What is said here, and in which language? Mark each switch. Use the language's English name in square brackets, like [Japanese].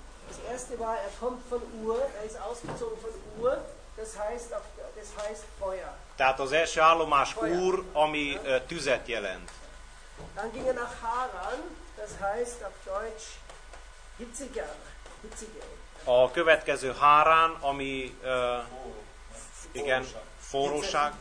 [Hungarian] Az [German] erste war, er kommt von Ur, er ist ausgezogen von Ur, das heißt Feuer. [Hungarian] Tehát az első állomás Ur, ami tüzet jelent. [German] Dann ging er nach Haran, das heißt auf Deutsch hitzige. [Hungarian] A következő Harán, ami igen, forróság.